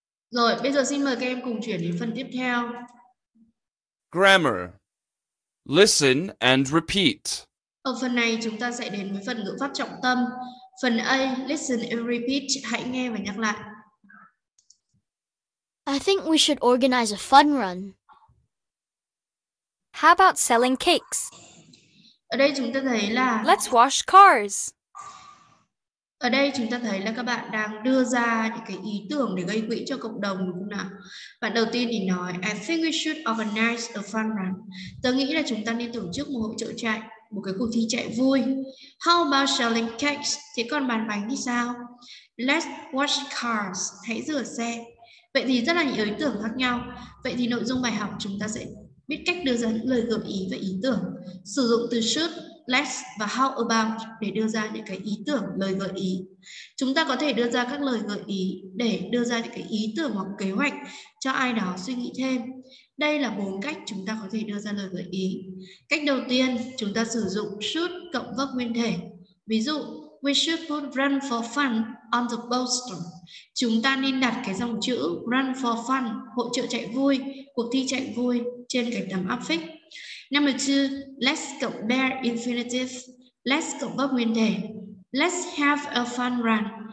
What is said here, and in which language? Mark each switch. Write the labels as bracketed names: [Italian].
[Vietnamese] Rồi, bây giờ xin mời các em cùng chuyển đến phần tiếp theo. [English] Grammar. Listen and repeat. [Vietnamese] Ở phần này chúng ta sẽ đến với phần ngữ pháp trọng tâm. Phần A, [English] listen and repeat, [Vietnamese] hãy nghe và nhắc lại. [English] I think we should organize a fun run. How about selling cakes? [Vietnamese] Ở đây chúng ta thấy là [English] Let's wash cars. [Vietnamese] Ở đây chúng ta thấy là các bạn đang đưa ra những cái ý tưởng để gây quỹ cho cộng đồng đúng không nào? Bạn đầu tiên thì nói [English] I think we should organize a fun run. [Vietnamese] Tôi nghĩ là chúng ta nên tổ chức một hội chợ chạy, một cái cuộc thi chạy vui. [English] How about selling cakes? [Vietnamese] Thế còn bán bánh thì sao? [English] Let's wash cars. [Vietnamese] Hãy rửa xe. Vậy thì rất là những ý tưởng khác nhau. Vậy thì nội dung bài học chúng ta sẽ biết cách đưa ra những lời gợi ý và ý tưởng. Sử dụng từ should, let's và how about để đưa ra những cái ý tưởng, lời gợi ý. Chúng ta có thể đưa ra các lời gợi ý để đưa ra những cái ý tưởng hoặc kế hoạch cho ai đó suy nghĩ thêm. Đây là bốn cách chúng ta có thể đưa ra lời gợi ý. Cách đầu tiên, chúng ta sử dụng should cộng verb nguyên thể. Ví dụ, [English] we should put run for fun on the poster. [Vietnamese] Chúng ta nên đặt cái dòng chữ run for fun, hỗ trợ chạy vui, cuộc thi chạy vui trên cái tấm áp phích. [English] Number two, let's cộng bare infinitive, let's [Vietnamese] cộng verb nguyên thể, [English] let's have a fun run.